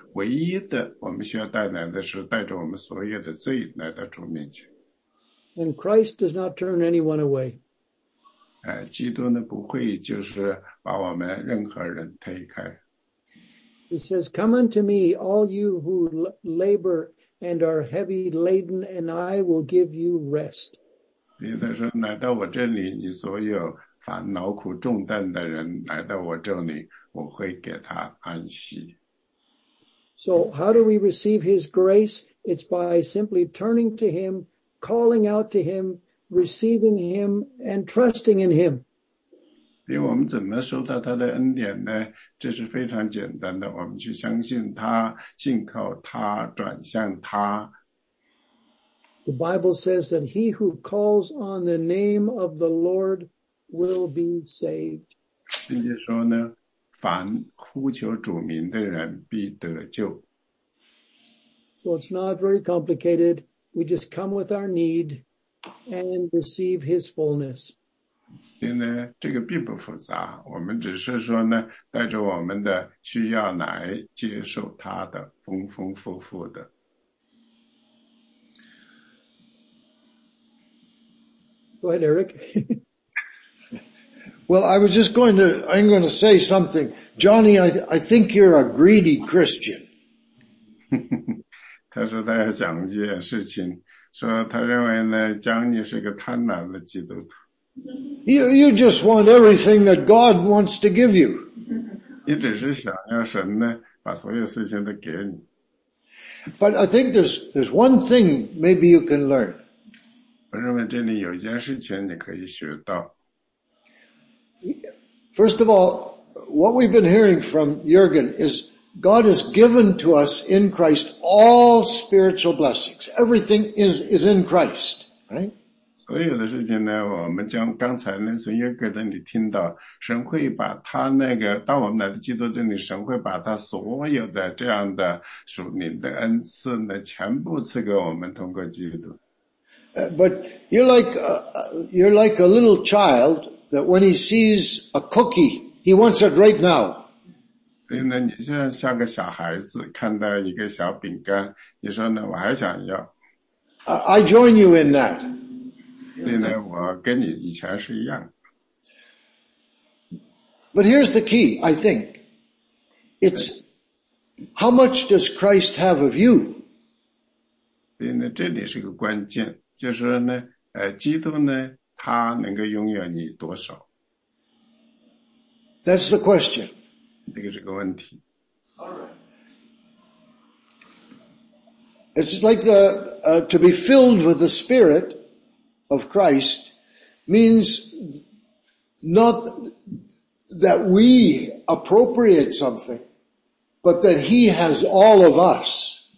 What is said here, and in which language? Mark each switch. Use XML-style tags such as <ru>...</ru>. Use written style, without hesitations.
<zh>唯一的我们需要带来的是带着我们所有的罪来到主面前。</zh> <en>And Christ does not turn anyone away.</en> <zh>基督呢不会就是把我们任何人推开。</zh> <en>He says, come unto me, all you who labor and are heavy laden, and I will give you rest.</en> <zh>所以他说，来到我这里，你所有烦恼苦重担的人，来到我这里，我会给他安息。</zh> <en>So how do we receive his grace? It's by simply turning to him, calling out to him, receiving him, and trusting in him.</en> <zh>所以我们怎么收到他的恩典呢？这是非常简单的，我们去相信他，信靠他，转向他。</zh> <en>The Bible says that he who calls on the name of the Lord will be saved.</en> <zh>圣经说呢，凡呼求主名的人必得救。</zh> <en>So it's not very complicated. We just come with our need and receive his fullness.</en> <zh>所以呢，这个并不复杂。我们只是说呢，带着我们的需要来接受他的丰丰富富的。</zh> <en>Go ahead, Eric. Well, I was just going to, I'm going to say something. Johnny, I think you're a greedy Christian.</en> <zh>他说他要讲一件事情，说他认为呢，江尼是个贪婪的基督徒。</zh> <en>You just want everything that God wants to give you.</en> <zh>你只是想要神呢，把所有事情都给你。</zh> <en>But I think there's one thing maybe you can learn.</en> <zh>我认为这里有一件事情你可以学到。</zh> <en>First of all, what we've been hearing from Jürgen is God has given to us in Christ all spiritual blessings. Everything is in Christ, right?</en> <zh>所有的事情呢，我们将刚才呢从 Jürgen 那里听到，神会把他那个当我们来到基督这里，神会把他所有的这样的属灵的恩赐呢，全部赐给我们通过基督。</zh> <en>But you're like a little child that when he sees a cookie, he wants it right now.</en> <zh>所以呢，你现在像个小孩子，看到一个小饼干，你说呢，我还想要。</zh> <en>I join you in that.</en> <zh>所以呢，我跟你以前是一样。</zh> <en>But here's the key, I think. It's how much does Christ have of you?</en> <zh>所以呢，这里是个关键。就是呢，基督呢，他能够拥有你多少</zh> <en>？That's the question.</en> <zh>这个是个问题。</zh> <en>All right. It's like the to be filled with the Spirit of Christ means not that we appropriate something, but that He has all of us.</en>